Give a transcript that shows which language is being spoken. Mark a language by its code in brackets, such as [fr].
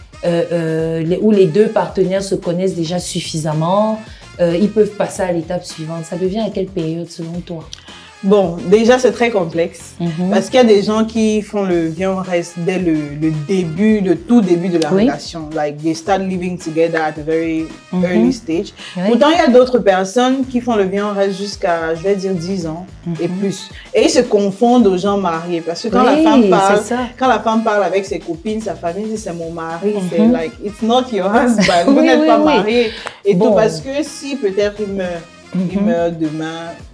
[fr] où les deux partenaires se connaissent déjà suffisamment, ils peuvent passer à l'étape suivante. Ça devient à quelle période selon toi? Bon, déjà c'est très complexe parce qu'il y a des gens qui font le vient reste dès le début, le tout début de la relation. [en] Like they start living together at a very early stage. [fr] Oui. Pourtant, il y a d'autres personnes qui font le vient reste jusqu'à, je vais dire, 10 ans et plus. Et ils se confondent aux gens mariés parce que quand la femme parle avec ses copines, sa famille dit c'est mon mari, c'est [en] like it's not your husband, [fr] vous n'êtes pas marié. Et bon. Tout parce que si peut-être il meurt demain.